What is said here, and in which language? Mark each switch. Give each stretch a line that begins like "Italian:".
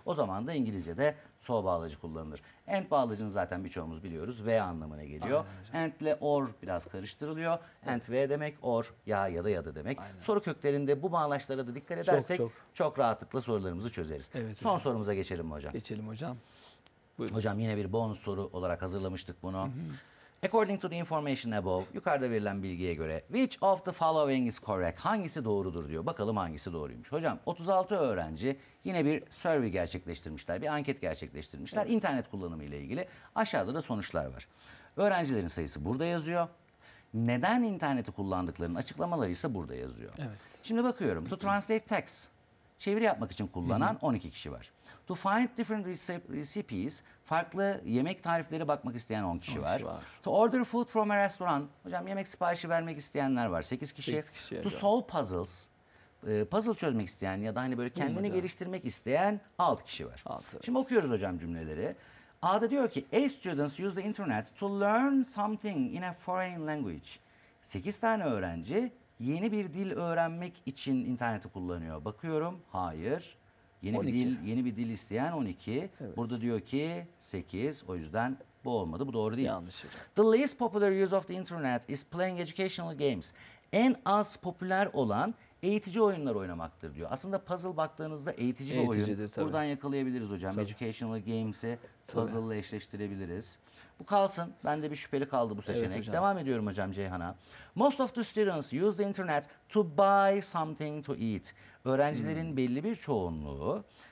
Turkish: O zaman da İngilizce'de so bağlacı kullanılır. And bağlacını zaten birçoğumuz biliyoruz. V anlamına geliyor. And ile or biraz karıştırılıyor. And V demek, or ya ya da ya da demek. Aynen. Soru köklerinde bu bağlaçlara da dikkat edersek çok rahatlıkla sorularımızı çözeriz. Evet, son hocam sorumuza geçelim mi hocam? Geçelim hocam. Buyurun. Hocam yine bir bonus soru olarak hazırlamıştık bunu. Hı-hı.
English: According to the information above,
Turkish: yukarıda verilen bilgiye göre,
English: which of the following is correct?
Turkish: Hangisi doğrudur diyor. Bakalım hangisi doğruymuş. Hocam 36 öğrenci yine bir survey gerçekleştirmişler, bir anket gerçekleştirmişler. Evet. İnternet kullanımı ile ilgili aşağıda da sonuçlar var. Öğrencilerin sayısı burada yazıyor. Neden interneti kullandıklarının açıklamaları ise burada yazıyor. Evet. Şimdi bakıyorum.
English: To translate text,
Turkish: çeviri yapmak için kullanan 12 kişi var.
English: To find different recipes,
Turkish: farklı yemek tariflere bakmak isteyen 10 kişi var.
English: To order food from a restaurant,
Turkish: hocam yemek siparişi vermek isteyenler var. 8 kişi. 8 kişi
English: to solve puzzles,
Turkish: puzzle çözmek isteyen ya da hani böyle kendini geliştirmek isteyen 6 kişi var. 6, evet. Şimdi okuyoruz hocam cümleleri. A'da diyor ki,
English: A students use the internet to learn something in a foreign language.
Turkish: 8 tane öğrenci yeni bir dil öğrenmek için interneti kullanıyor. Bakıyorum, hayır. Yeni 12. Bir dil, yeni bir dil isteyen 12. Evet. Burada diyor ki 8. O yüzden bu olmadı. Bu doğru değil. Yanlış.
English: The least popular use of the internet is playing educational games.
Turkish: En az popüler olan eğitici oyunlar oynamaktır diyor. Aslında puzzle baktığınızda eğitici bir oyun. Tabii. Buradan yakalayabiliriz hocam. Tabii. Educational games'i puzzle ile eşleştirebiliriz. Bu kalsın. Ben de bir şüpheli kaldı bu seçenek. Evet, devam ediyorum hocam Ceyhan'a.
English: Most of the students use the internet to buy something to eat.
Turkish: Öğrencilerin belli bir çoğunluğu